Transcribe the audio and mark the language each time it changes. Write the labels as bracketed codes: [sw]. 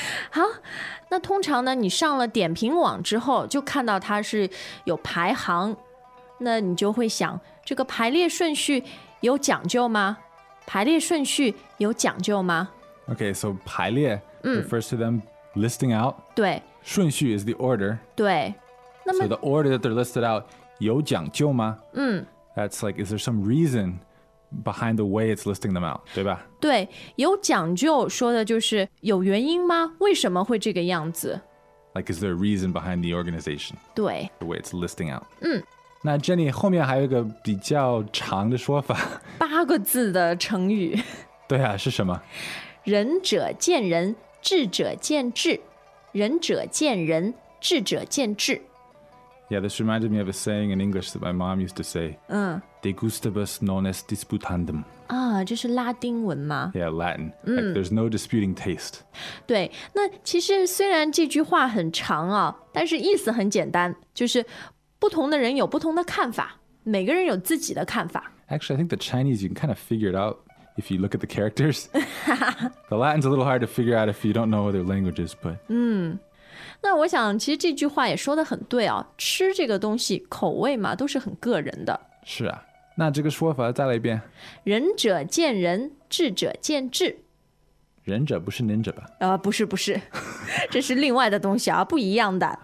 [zh] 好，那通常呢，你上了点评网之后，就看到它是有排行，那你就会想，这个排列顺序有讲究吗？排列顺序有讲究吗？ [en] Okay, so 排列 refers to them listing out. [zh] 对。 [en] 顺序 is the order. [zh] 对。 [en] So the order that they're listed out, [zh] 有讲究吗？ [en] That's like, is there some reason behind the way it's listing them out, [zh] 对吧？对，有讲究说的就是有原因吗？为什么会这个样子？ [en] Like, is there a reason behind the organization? 对。 The way it's listing out. [zh] 那 Jenny, 后面还有一个比较长的说法。 8个字的成语。对啊，是什么？仁者见仁，智者见智。仁者见仁，智者见智。 [en] Yeah, this reminded me of a saying in English that my mom used to say. [la] De gustibus non est disputandum. [zh] 啊，这是拉丁文吗？ [en] Yeah, Latin. Like, there's no disputing taste. [zh] 对，那其实虽然这句话很长啊，但是意思很简单，就是不同的人有不同的看法，每个人有自己的看法。 [en] Actually, I think the Chinese, you can kind of figure it out if you look at the characters. The Latin's a little hard to figure out if you don't know other languages, but... [zh] 那我想其实这句话也说得很对啊，吃这个东西口味嘛都是很个人的。是啊，那这个说法再来一遍。仁者见仁，智者见智。仁者不是ninja吧？不是不是，这是另外的东西啊，不一样的。